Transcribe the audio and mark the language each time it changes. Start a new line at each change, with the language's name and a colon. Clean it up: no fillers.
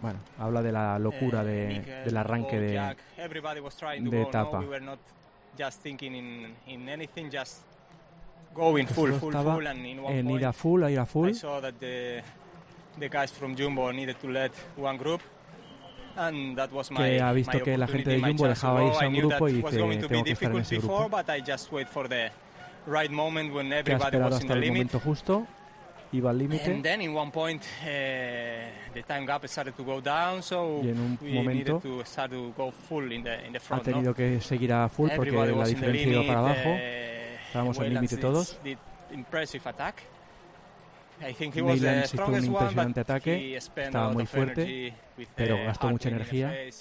Spanish: bueno, habla de la locura del arranque de etapa.
English: We were not just thinking in anything, just going full and in one en point,
Spanish: ir a full.
English: I saw that the guys from Jumbo needed to let one group. And that was
Spanish: que ha visto que la gente de Jumbo dejaba irse a un grupo y dice, tengo que estar en ese grupo.
English: But I just wait for the right moment when everybody was in the limit.
Spanish: El momento justo, iba al límite.
English: And then in one point the time gap started to go down, so we needed to start to go full in the front.
Spanish: Ha tenido que seguir a full porque la diferencia iba para abajo. Estábamos al límite todos.
English: Impressive attack. I think he was the strongest one, but he spent a lot of energy with
Spanish: pero gastó mucha energía